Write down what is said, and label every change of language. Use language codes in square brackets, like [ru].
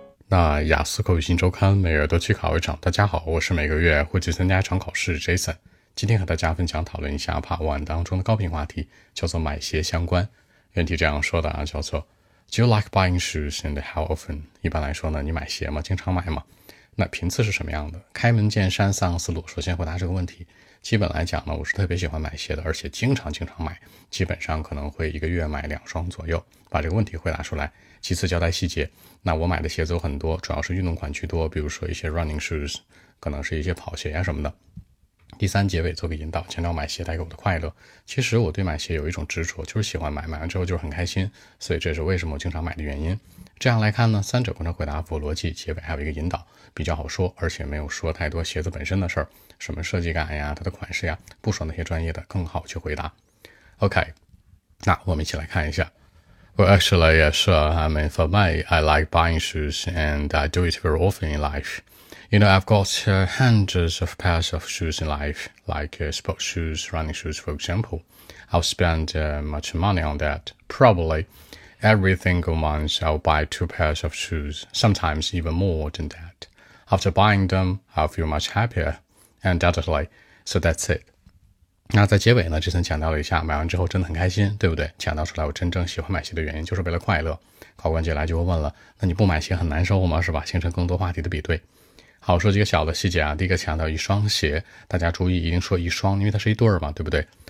[zh] 那雅思口语新周刊每月都去考一场。大家好，我是每个月会去参加一场考试 Jason。今天和大家分享讨论一下 Part 1当中的高频话题，叫做买鞋相关。原题这样说的啊，叫做 [en] Do you like buying shoes and how often? [zh] 一般来说呢，你买鞋吗？经常买吗？那频次是什么样的？开门见山，三个思路。首先回答这个问题，基本来讲呢，我是特别喜欢买鞋的，而且经常买，基本上可能会一个月买两双左右。把这个问题回答出来。其次交代细节，那我买的鞋子有很多，主要是运动款居多，比如说一些 running shoes， 可能是一些跑鞋啊什么的。第三，结尾做个引导，强调买鞋带给我的快乐。其实我对买鞋有一种执着，就是喜欢买，买完之后就是很开心，所以这是为什么我经常买的原因。这样来看呢，三者贯穿回答符合逻辑，结尾还有一个引导，比较好说，而且没有说太多鞋子本身的事儿，什么设计感呀，它的款式呀，不说那些专业的，更好去回答。 OK， 那我们一起来看一下。 [en] Well, actually, yeah, sure. I mean, for me, I like buying shoes and I do it very often in life. You know, I've got hundreds of pairs of shoes in life, like sports shoes, running shoes, for example. I'll spend much money on that. Probably every single month, I'll buy two pairs of shoes, sometimes even more than that. After buying them, I'll feel much happier. Undoubtedly, so that's it. [zh] 那在结尾呢，这次强调了一下，买完之后真的很开心，对不对？强调出来我真正喜欢买鞋的原因就是为了快乐。考官接下来就会问了，那你不买鞋很难受吗？是吧？形成更多话题的比对。好，说几个小的细节啊。第一个强调一双鞋，大家注意一定说一双，因为它是一对嘛，对不对？